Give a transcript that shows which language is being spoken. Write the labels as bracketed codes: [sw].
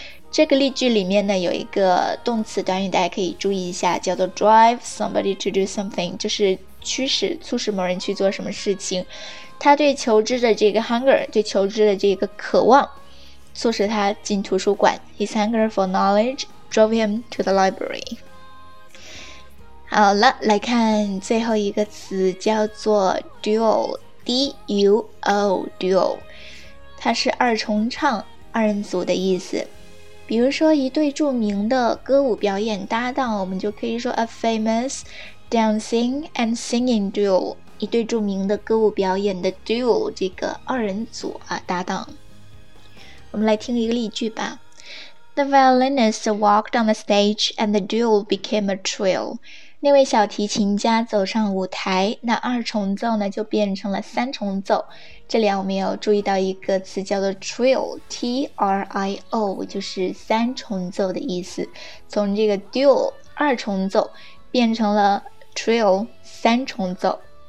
[zh] 这个例句里面呢，有一个动词短语大家可以注意一下，叫做 [en] drive somebody to do something， [zh] 就是驱使促使某人去做什么事情，他对求知的这个 hunger， 对求知的这个渴望，促使他进图书馆。 [en] His hunger for knowledge drove him to the library。 [zh] 好了，来看最后一个词，叫做 duo，duo， 它是二重唱、二人组的意思。比如说，一对著名的歌舞表演搭档，我们就可以说 [en] a famous dancing and singing duo， [zh] 一对著名的歌舞表演的 duo， 这个二人组啊搭档。我们来听一个例句吧。 [en] The violinist walked on the stage and the duo became a trio。 [zh] 那位小提琴家走上舞台，那二重奏呢就变成了三重奏。这里我们有注意到一个词叫做 trio，T-R-I-O， 就是三重奏的意思。从这个 duo 二重奏变成了 trio 三重奏。